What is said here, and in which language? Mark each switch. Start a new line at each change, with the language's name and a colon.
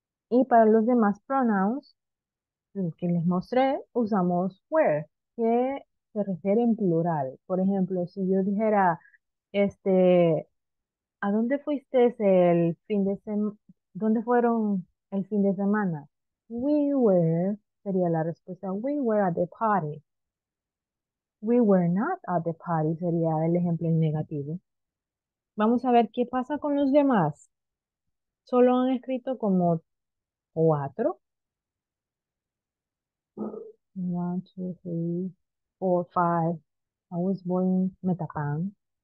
Spanish: Y para los demás pronouns que les mostré, usamos were, que se refiere en plural. Por ejemplo, si yo dijera, ¿a dónde fuiste el fin de semana? ¿Dónde fueron el fin de semana?
English: We were,
Spanish: sería la respuesta,
English: we were at the party. We were not at the party,
Spanish: sería el ejemplo en negativo. Vamos a ver qué pasa con los demás. Solo han escrito como cuatro.
English: One, two, three, four, five. I was born Metapan.